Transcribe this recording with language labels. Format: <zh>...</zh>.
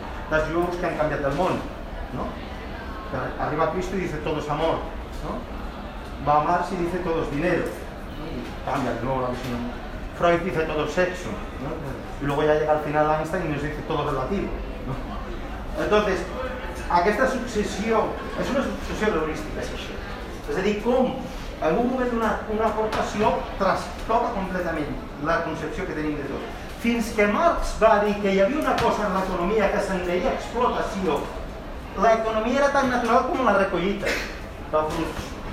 <ca>dels jueus que han canviat el món, no?</ca> <es>Que arriba Cristo i dice todo es amor, no? Va a Marx y dice todo es dinero, ¿no? Cambia de nuevo la visión. Freud dice todo es sexo, ¿no? Y luego ya llega al final Einstein y nos dice todo es relativo, ¿no?</es> <ca>Entonces, aquesta successió, és una successió heurística, és això. És a dir, com en algun moment una aportació trastoca completament la concepció que tenim de tot. Fins que Marx va dir que hi havia una cosa en l'economia que se'n deia explotació, l'economia era tan natural com la recollita del fruit.</ca>